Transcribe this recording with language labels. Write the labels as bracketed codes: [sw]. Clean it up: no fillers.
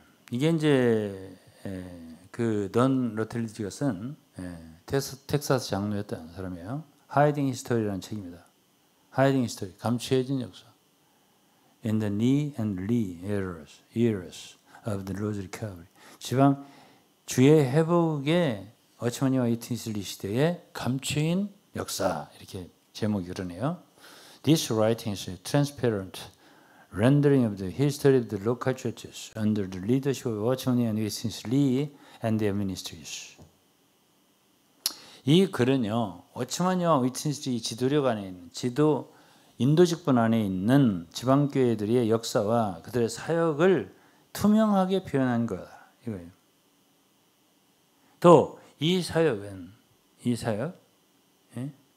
[ko] 이게 이제 그 던 로틀리지가 쓴 텍사스 장로였던 사람이에요. 하이딩 히스토리라는 책입니다. 하이딩 히스토리, 감추어진 역사. [en] In the knee and lee eras of the Lord's recovery. [ko] 지방 주의 회복의 어치마니와 위트니슬리 시대의 감추인 역사. 이렇게 제목이 그러네요. [en] This writing is a transparent rendering of the history of the local churches under the leadership of Ochimani and Witness-Li and their ministries. [ko] 이 글은요, 어치마니와 위트니슬리 지도력 안에 있는 지도 인도직분 안에 있는 지방교회들의 역사와 그들의 사역을 투명하게 표현한 거다. 이거예요. 또 이 사역은 이 사역 예?